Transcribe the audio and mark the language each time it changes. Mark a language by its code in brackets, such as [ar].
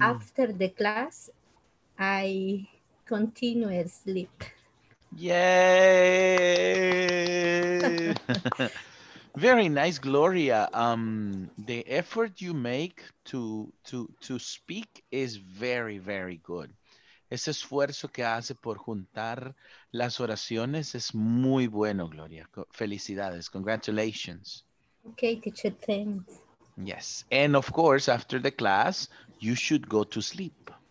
[en] After the class, I continue sleep. Yay! Very nice, Gloria. The effort you make to speak is very, very good. [es] Ese esfuerzo que hace por juntar las oraciones es muy bueno, Gloria. Felicidades. [en] Congratulations. Okay, teacher, thanks. Yes. And of course, after the class, you should go to sleep.